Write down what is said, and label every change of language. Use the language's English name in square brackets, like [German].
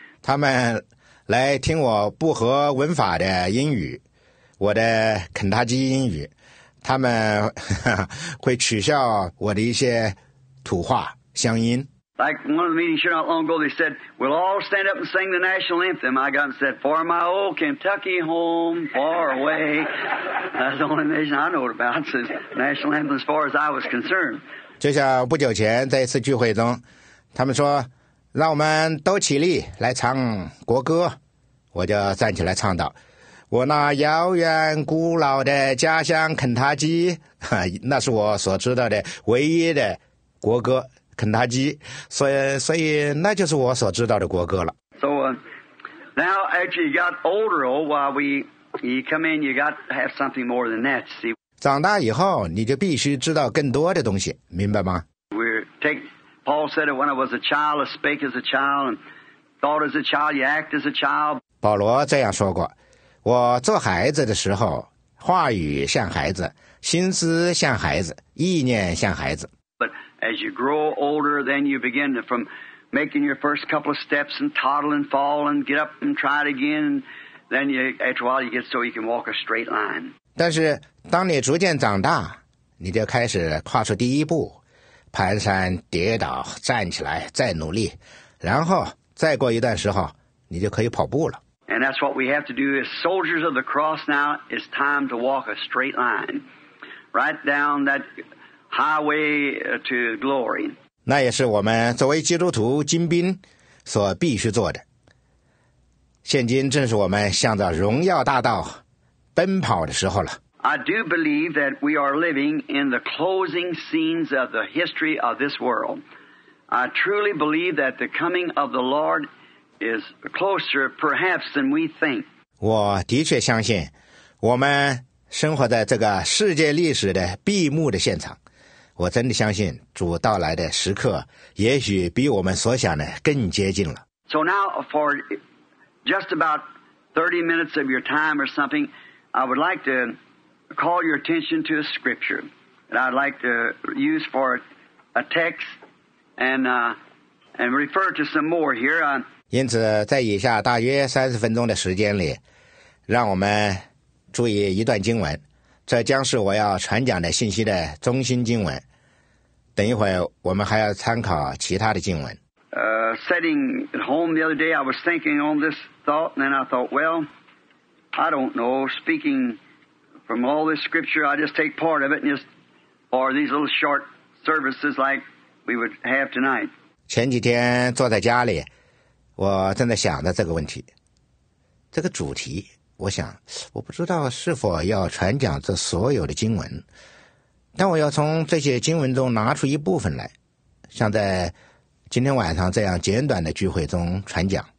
[Chinese] 他们来听我不合文法的英语，我的肯塔基英语，他们会取笑我的一些土话乡音。 [English] Like one of the meetings here not long ago, they said, we'll all stand up and sing the national anthem. I got and said, for my old Kentucky home, far away. That's the only nation I know about, the national anthem as far as I was concerned. [Chinese] 就像不久前在一次聚会中，他们说，让我们都起立来唱国歌。我就站起来唱道，我那遥远古老的家乡肯塔基，那是我所知道的唯一的国歌。肯塔基，所以那就是我所知道的国歌了。 [English] So now actually got older, while you come in, you got to have something more than that. See, [Chinese] 长大以后你就必须知道更多的东西，明白吗 [English] ？We take Paul said it when I was a child, I spake as a child, and thought as a child, you act as a child. [Chinese] 保罗这样说过：我做孩子的时候，话语像孩子，心思像孩子，意念像孩子。 [English] As you grow older, then you begin to, from making your first couple of steps and toddle and fall and get up and try it again. Then you, after a while, you get so you can walk a straight line. [Chinese] 但是当你逐渐长大，你就开始跨出第一步，蹒跚跌倒，站起来，再努力，然后再过一段时候，你就可以跑步了。 [English] And that's what we have to do as soldiers of the cross now. It's time to walk a straight line, right down that. Highway to glory. [Chinese] 那也是我们作为基督徒精兵所必须做的。现今正是我们向着荣耀大道奔跑的时候了。 [English] I do believe that we are living in the closing scenes of the history of this world. I truly believe that the coming of the Lord is closer, perhaps, than we think. [Chinese] 我的确相信，我们生活在这个世界历史的闭幕的现场。我真的相信主到来的时刻也许比我们所想的更接近了。 [English] So now for just about 30 minutes of your time or something, I would like to call your attention to a scripture that I'd like to use for a text and refer to some more here. [Chinese] 因此在以下大约30分钟的时间里，让我们注意一段经文，这将是我要传讲的信息的中心经文。等一会儿我们还要参考其他的经文。 [English] Sitting at home the other day, I was thinking on this thought, and then I thought, well, I don't know, speaking from all this scripture, I just take part of it, and just for these little short services like we would have tonight. [Chinese] 前几天坐在家里，我正在想着这个问题，这个主题。我想，我不知道是否要传讲这所有的经文，但我要从这些经文中拿出一部分来，像在今天晚上这样简短的聚会中传讲。